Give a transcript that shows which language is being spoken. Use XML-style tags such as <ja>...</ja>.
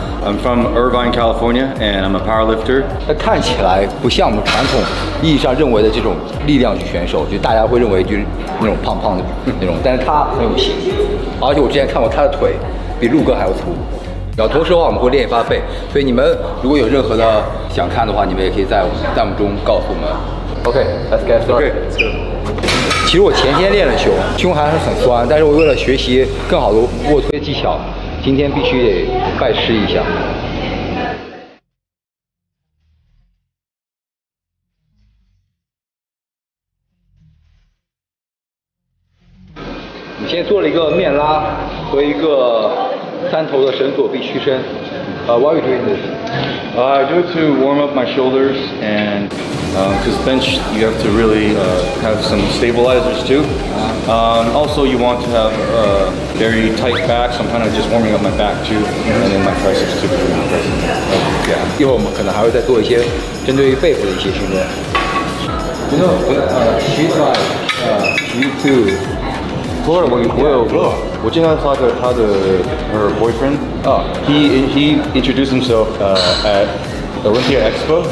<en>I'm from Irvine, California, and I'm a powerlifter。</en> <zh>他看起来不像我们传统意义上认为的这种力量选手，就大家会认为就是那种胖胖的那种，但是他很有型，而且我之前看过他的腿比鹿哥还要粗。然后同时的话，我们会练一发背，所以你们如果有任何的想看的话，你们也可以在弹幕中告诉我们。</zh> <en>OK，Let's、okay, get started。</en> <zh>其实我前天练了胸，胸还是很酸，但是我为了学习更好的卧推技巧，今天必须得拜师一下。我们先做了一个面拉和一个三头的绳索臂屈伸。</zh> <en>Why are you doing this？ I do it to warm up my shoulders and。 Because bench, you have to really have some stabilizers too. Also, you want to have a very tight back, so I'm kind of just warming up my back too, and then my triceps too. Yeah.</en> <zh>一会儿我们可能还会再做一些针对于背部的一些训练。</zh> <en>You know, she's like you too.</en> <zh>Florida, 我经常发的她的</zh> <en>her boyfriend. Oh, he introduced himself at. Olympia Expo.</en>